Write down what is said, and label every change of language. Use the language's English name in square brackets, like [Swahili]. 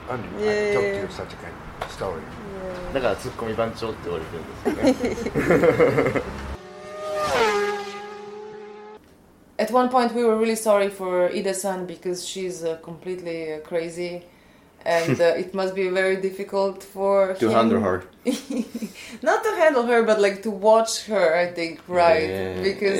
[English] And I talk to you such a kind of story. [Japanese] だからツッコミ番長って言われてるんですよね。 [English] At one point we were really sorry for Ide-san because she's completely crazy and it must be very difficult for to handle her. Not to handle her, but like to watch her, I think, right? Yeah. Because